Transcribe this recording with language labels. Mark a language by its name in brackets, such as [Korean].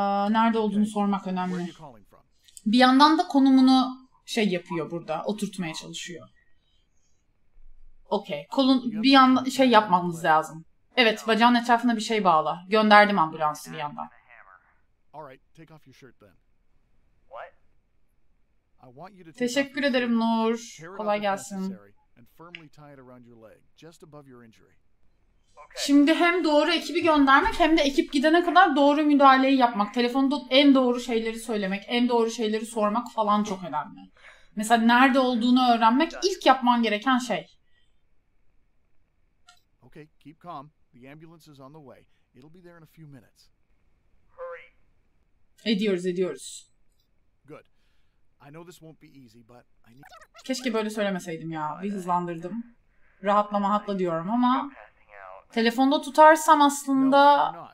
[Turkish] Nerede olduğunu sormak önemli. Bir yandan da konumunu şey yapıyor burada, oturtmaya çalışıyor. Okay, kolun bir yandan şey yapmamız lazım. Evet, bacağın etrafına bir şey bağla. Gönderdim ambulansı bir yandan. [English] All right, take off your shirt then. What? I want you to [Turkish] teşekkür ederim Nur. Kolay gelsin. [English] And firmly tie it around your leg, just above your injury. Okay. [Turkish] Şimdi hem doğru ekibi göndermek hem de ekip gidene kadar doğru müdahaleyi yapmak, telefonda en doğru şeyleri söylemek, en doğru şeyleri sormak falan çok önemli. Mesela nerede olduğunu öğrenmek ilk yapman gereken şey. [English] Okay, keep calm. The ambulance is on the way. It'll be there in a few minutes. [Turkish] Ediyoruz. [English] Good. I know this won't be easy, but I need... [Turkish] Keşke böyle söylemeseydim ya. Bir hızlandırdım. Rahatlama hatla diyorum ama telefonda tutarsam aslında.